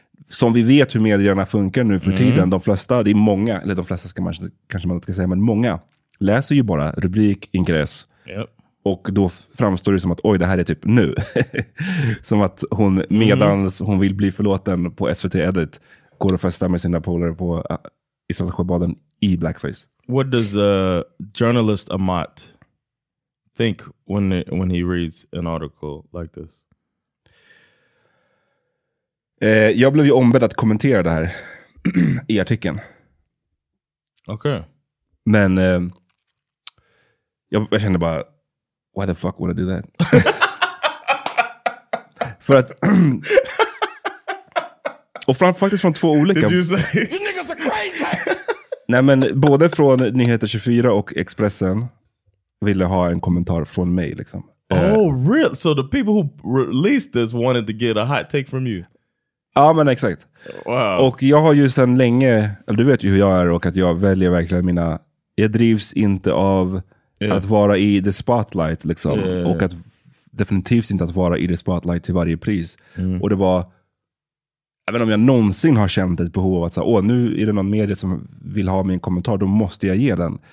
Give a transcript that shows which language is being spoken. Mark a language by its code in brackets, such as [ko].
[sv] Som vi vet hur medierna funkar nu för tiden, de flesta, det är många, eller de flesta ska man, kanske man inte ska säga, men många läser ju bara rubrik, ingress. Och då framstår det som att oj, det här är typ nu. Som att hon medans hon vill bli förlåten på SVT Edit går och festar med sina polare på i Saltsjöbaden i blackface. [en] What does a journalist Amat think when he reads an article like this? [sv] Jag blev ju ombedd att kommentera det här i artikeln. Okej. [en] Okay. [sv] Men jag kände bara, [en] why the fuck would I do that? [sv] För att... och faktiskt från två olika... [en] Did you say... You niggas are crazy! [sv] Nej, men både från Nyheter 24 och Expressen ville ha en kommentar från mig, liksom. [en] Oh, really? So the people who released this wanted to get a hot take from you? [sv] Ja, men exakt. [en] Wow. [sv] Och jag har ju sedan länge... eller du vet ju hur jag är, och att jag väljer verkligen mina... jag drivs inte av... yeah. Att vara i [en] the spotlight, [sv] liksom. [en] Yeah, yeah, yeah. [sv] Och att definitivt inte att vara i [en] the spotlight [sv] till varje pris. Mm. Och det var, även om jag någonsin har känt ett behov av att säga, åh, nu är det någon medie som vill ha min kommentar, då måste jag ge den.